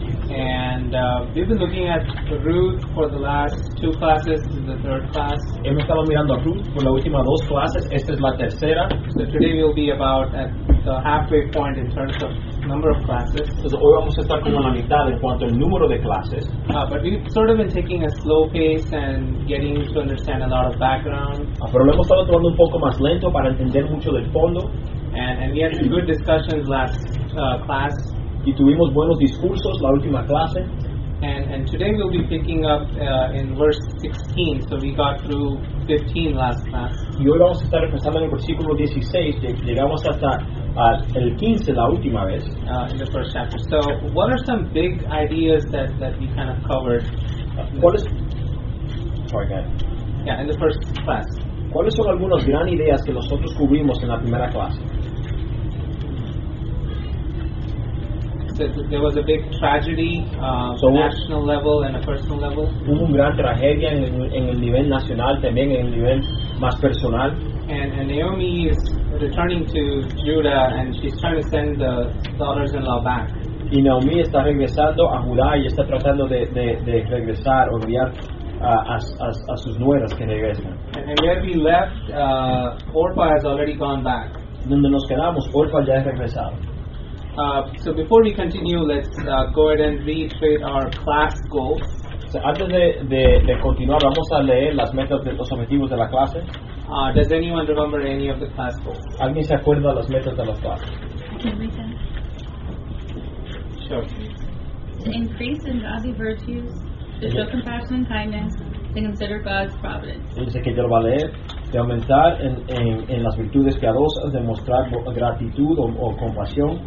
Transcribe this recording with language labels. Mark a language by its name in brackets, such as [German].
[English] And we've been looking at Ruth for the last two classes. This is the third class. [Spanish] Hemos estado mirando a Ruth por las últimas dos clases. Esta es la tercera. [English] So today we'll be about at the halfway point in terms of number of classes. [Spanish] Entonces hoy vamos a estar como a la mitad en cuanto al número de clases. [English] But we've sort of been taking a slow pace and getting to understand a lot of background. [Spanish] Pero lo hemos estado tomando un poco más lento para entender mucho del fondo. [English] And we had some good discussions last class. [Spanish] Y tuvimos buenos discursos la última clase. [English] And today we'll be picking up in verse 16, so we got through 15 last class. [Spanish] Y hoy vamos a estar empezando en el versículo 16, llegamos hasta el 15 la última vez. [English] In the first chapter. So what are some big ideas that we kind of covered? In the first class. [Spanish] ¿Cuáles son algunas grandes ideas que nosotros cubrimos en la primera clase? [English] There was a big tragedy on a national level and a personal level. [Spanish] Hubo una gran tragedia en el nivel nacional, también en el nivel más personal. [English] And Naomi is returning to Judah and she's trying to send the daughters-in-law back. [Spanish] Y Naomi está regresando a Judá y está tratando de regresar o enviar a sus nueras que regresan. [English] And where we left, Orpah has already gone back. [Spanish] Donde nos quedamos, Orpah ya ha regresado. [English] So before we continue, let's go ahead and reiterate our class goals. [Spanish] So antes de continuar, vamos a leer las metas de los objetivos de la clase. [English] Does anyone remember any of the class goals? [Spanish] ¿Alguien se acuerda las metas de las clases? [English] I can read that. Sure. To increase in godly virtues, to show compassion and kindness, to consider God's providence. [Spanish] Dice que yo lo voy a leer. De aumentar en las virtudes piadosas, de mostrar gratitud o compasión.